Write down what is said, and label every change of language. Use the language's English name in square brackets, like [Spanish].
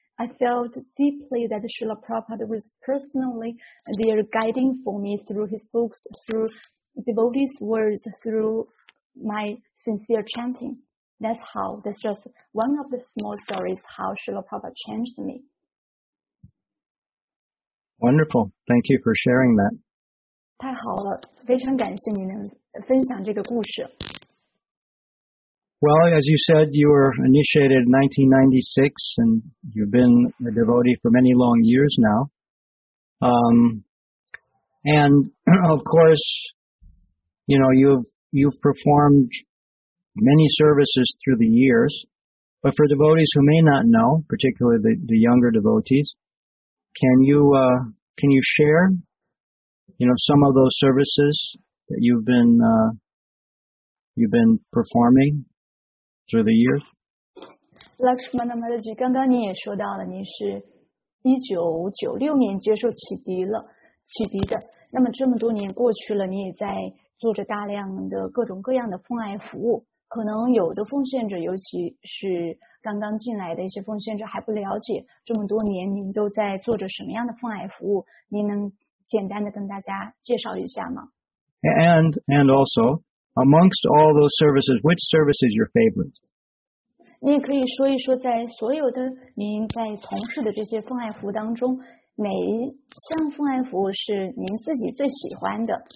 [English] I felt deeply that Srila Prabhupada was personally there guiding for me through his books, through devotees' words, through my sincere chanting. That's just one of the small stories how Srila Prabhupada changed me. Wonderful. Thank you for sharing that. [Chinese] 太好了，非常感谢你能分享这个故事。 [English] Well, as you said, you were initiated in 1996, and you've been a devotee for many long years now. And of course, you know, you've performed many services through the years. But for devotees who may not know, particularly the younger devotees, can you share, you know, some of those services that you've been performing through the years? [Chinese] Lakshmana Maharaj, 刚刚你也说到了，你是1996年接受启迪的。那么这么多年过去了，你也在做着大量的各种各样的奉爱服务。可能有的奉献者，尤其是刚刚进来的一些奉献者，还不了解这么多年您都在做着什么样的奉爱服务，您能简单的跟大家介绍一下吗？ [English] And also, amongst all those services, which service is your favorite? [Chinese] 你可以说一说在所有的您在从事的这些奉爱服务当中，哪一项奉爱服务是您自己最喜欢的？